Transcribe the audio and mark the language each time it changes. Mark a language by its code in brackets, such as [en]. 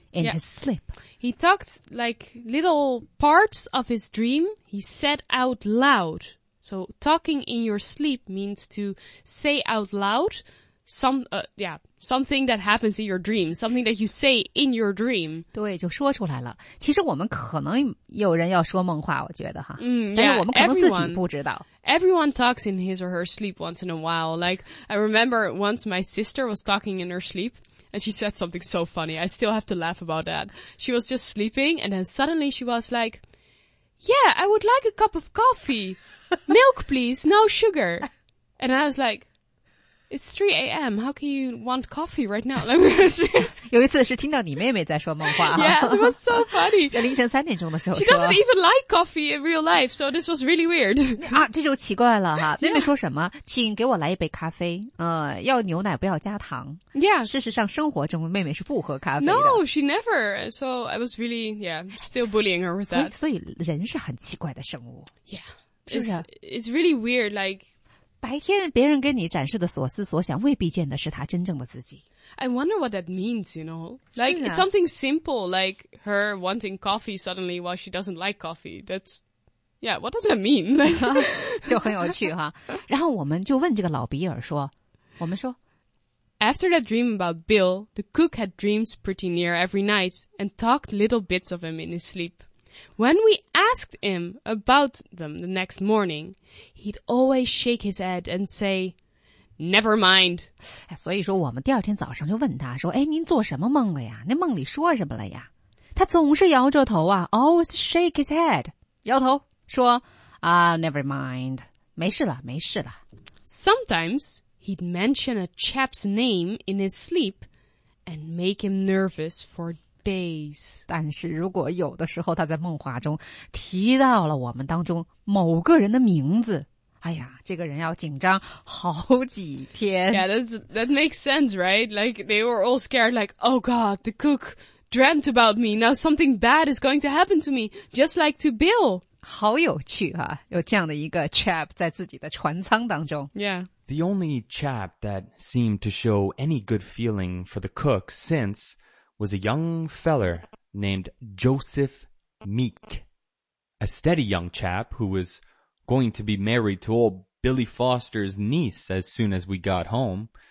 [en] In his sleep. He talked like little parts of his dream he said out loud. So talking in your sleep means to say out loud something that happens in your dream, something that you say in your dream. [zh] 对，就说出来了。其实我们可能有人要说梦话，我觉得哈。嗯，但是我们可能自己不知道。 [en] Everyone talks in his or her sleep once in a while. Like, I remember once my sister was talking in her sleep. And she said something so funny. I still have to laugh about that. She was just sleeping and then suddenly she was like, Yeah, I would like a cup of coffee. Milk, please. No sugar. And I was like, It's 3 a.m. How can you want coffee right now? [zh] 有一次是听到你妹妹在说梦话。 [en] Yeah, it was so funny. [zh] 在凌晨三点钟的时候 [en] 说。She doesn't even like coffee in real life, so this was really weird. [zh] 啊，这就奇怪了哈。妹妹说什么？请给我来一杯咖啡。要牛奶，不要加糖。 Yeah. 事实上，生活中妹妹是不喝咖啡的。 [en] No, she never. So I was really, still bullying her with that. [zh] 所以人是很奇怪的生物。 Yeah. 是不是？ [en] It's really weird, like, [zh] 白天别人跟你展示的所思所想未必见的是他真正的自己。 [en] I wonder what that means, you know? Like, something simple, like her wanting coffee suddenly while she doesn't like coffee. What does that mean? [zh] 就很有趣哈。然后我们就问这个老比尔说，我们说 [en] After that dream about Bill, the cook had dreams pretty near every night and talked little bits of him in his sleep. When we asked him about them the next morning, he'd always shake his head and say, never mind. [zh] 所以说我们第二天早上就问他说，哎，您做什么梦了呀？那梦里说什么了呀？他总是摇着头啊， [en] always shake his head, [zh] 摇头说， [en] never mind, [zh] 没事了，没事了。 [en] Sometimes he'd mention a chap's name in his sleep and make him nervous for days. [zh] 但是如果有的时候他在梦话中提到了我们当中某个人的名字，哎呀，这个人要紧张好几天。 [en] Yeah, that makes sense, right? Like, they were all scared, like, oh god, the cook dreamt about me. Now something bad is going to happen to me, just like to Bill. [zh] 好有趣啊，有这样的一个 chap 在自己的船舱当中。 Yeah. [en] The only chap that seemed to show any good feeling for the cook since was a young feller named Joseph Meek. A steady young chap who was... going to be married to old Billy Foster's niece as soon as we got home.